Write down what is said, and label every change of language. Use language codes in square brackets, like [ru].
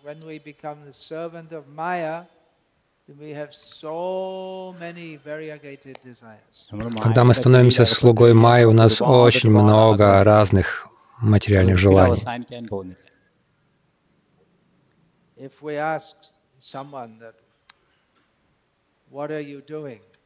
[en] When we become the servant of Maya, we have so many variegated desires. [ru] Когда мы становимся слугой Майи, у нас очень много разных материальных желаний. [en] If we ask someone that, what are you doing?